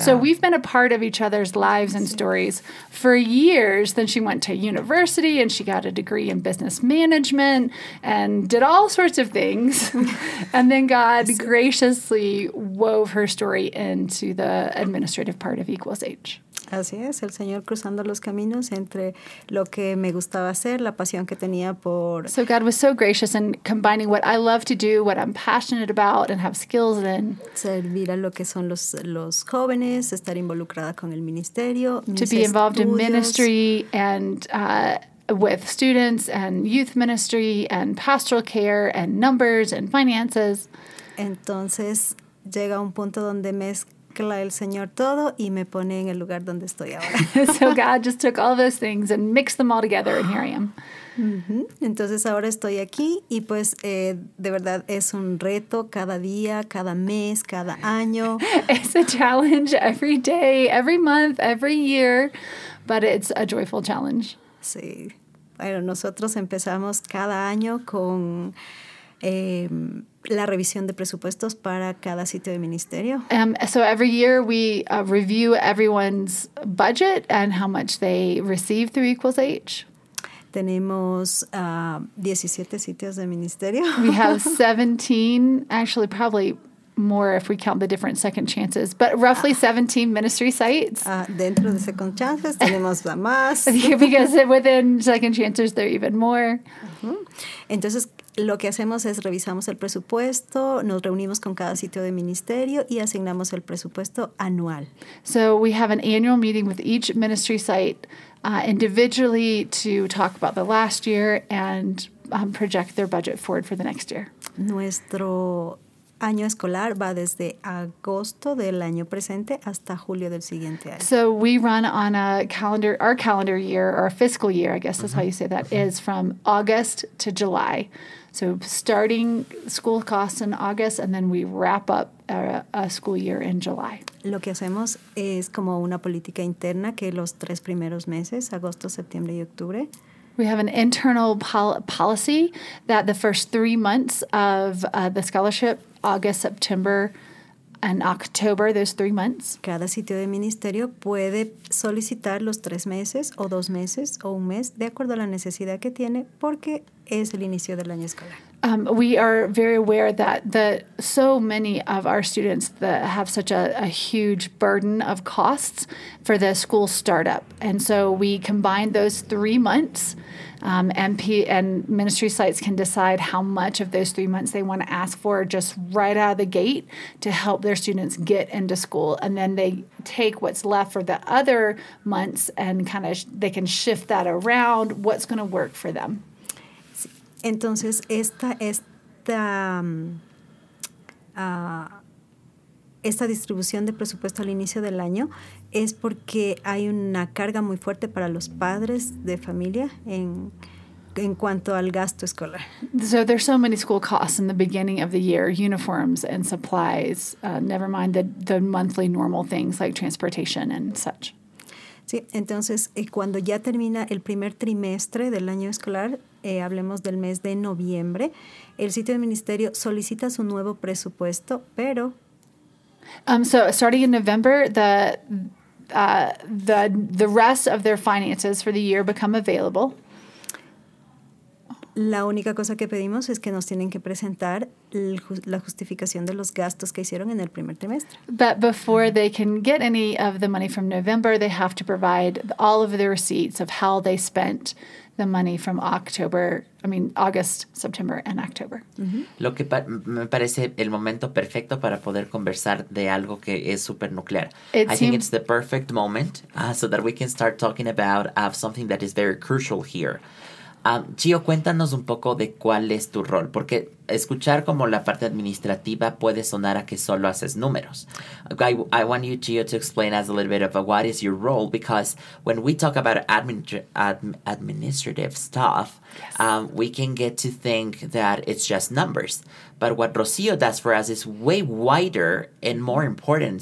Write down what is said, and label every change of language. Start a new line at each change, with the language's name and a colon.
English: So we've been a part of each other's lives and stories for years. Then she went to university and she got a degree in business management and did all sorts of things. And then God graciously wove her story into the administrative part of Equals H.
Spanish: Así es, el Señor cruzando los caminos entre lo que me gustaba hacer, la pasión que tenía por...
English: So God was so gracious in combining what I love to do, what I'm passionate about and have skills in.
Spanish: Servir a lo que son los jóvenes, estar involucrada con el ministerio, mis estudios.
English: To be involved in ministry and... with students and youth ministry and pastoral care and numbers and finances.
Spanish: Entonces llega un punto donde mezcla el Señor todo y me pone en el lugar donde estoy ahora.
English: So God just took all those things and mixed them all together and here I am.
Spanish: Entonces ahora estoy aquí y pues de verdad es un reto cada día, cada mes, cada año.
English: It's a challenge every day, every month, every year, but it's a joyful challenge.
Spanish: Sí. Bueno, nosotros empezamos cada año con la revisión de presupuestos para cada sitio de ministerio.
English: So every year we review everyone's budget and how much they receive through Equals H.
Spanish: Tenemos 17 sitios de ministerio.
English: We have 17, actually probably more if we count the different second chances, but roughly 17 ministry sites.
Spanish: Dentro de second chances tenemos más.
English: Because within second chances there are even more.
Spanish: Entonces lo que hacemos es revisamos el presupuesto, nos reunimos con cada sitio de ministerio y asignamos el presupuesto anual.
English: So we have an annual meeting with each ministry site individually to talk about the last year and project their budget forward for the next year. Nuestro año escolar va desde agosto del año presente hasta julio del siguiente año. So we run on a calendar, our calendar year, or fiscal year, I guess that's how you say that, is from August to July. So starting school costs in August, and then we wrap up a school year in July.
Spanish: Lo que hacemos es como una política interna que los 3 primeros meses, agosto, septiembre y octubre.
English: We have an internal policy that the first 3 months of the scholarship, August, September, in October, those 3 months.
Spanish: Cada sitio de ministerio puede solicitar los 3 meses o 2 meses o 1 mes de acuerdo a la necesidad que tiene porque es el inicio del año escolar.
English: We are very aware that so many of our students that have such a huge burden of costs for the school startup. And so we combine those 3 months. MP and ministry sites can decide how much of those 3 months they want to ask for just right out of the gate to help their students get into school. And then they take what's left for the other months and kind of they can shift that around what's going to work for them.
Spanish: Entonces, esta distribución de presupuesto al inicio del año es porque hay una carga muy fuerte para los padres de familia en cuanto al gasto escolar.
English: So there's so many school costs in the beginning of the year, uniforms and supplies, never mind the monthly normal things like transportation and such.
Spanish: Sí, entonces, cuando ya termina el primer trimestre del año escolar, hablemos del mes de noviembre, el sitio del ministerio solicita su nuevo presupuesto, pero...
English: So, starting in November, the rest of their finances for the year become available.
Spanish: La única cosa que pedimos es que nos tienen que presentar la justificación de los gastos que hicieron en el primer trimestre.
English: But before they can get any of the money from November, they have to provide all of the receipts of how they spent the money from August, September, and October. Mm-hmm.
Spanish: Lo que me parece el momento perfecto para poder conversar de algo que es súper nuclear.
English: I think it's the perfect moment so that we can start talking about something that is very crucial here.
Spanish: Gio, cuéntanos un poco de cuál es tu rol, porque escuchar como la parte administrativa puede sonar a que solo haces números.
English: I want you, Gio, to explain us a little bit of what is your role, because when we talk about administrative stuff, yes, we can get to think that it's just numbers. But what Rocio does for us is way wider and more important.